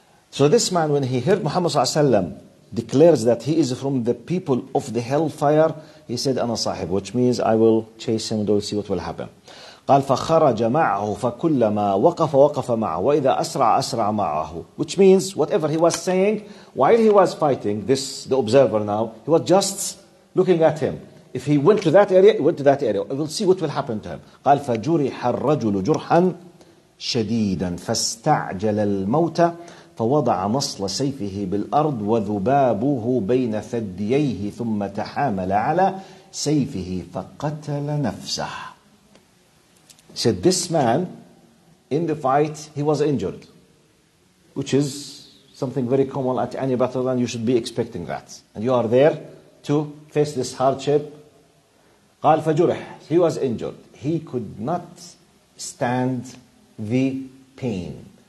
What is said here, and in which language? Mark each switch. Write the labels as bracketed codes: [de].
[en] So this man, when he heard Muhammad صلى الله عليه وسلم declares that he is from the people of the hellfire, he said, أنا صاحب, which means I will chase him and we'll see what will happen. قال فخرج معه فكلما وقف وقف معه وإذا أسرع أسرع معه, which means whatever he was saying while he was fighting, this the observer now, he was just looking at him. If he went to that area, he went to that area. We'll see what will happen to him. [ar] قال فجرح الرجل جرحا شديدا فاستعجل الموت فوضع نصل سيفه بالأرض وذبابه بين ثدييه ثم تحامل على سيفه فقتل نفسه. [en] Said this man, in the fight, he was injured, which is something very common at any battle, and you should be expecting that. And you are there to face this hardship. قال فجرح, he was injured. He could not stand the pain.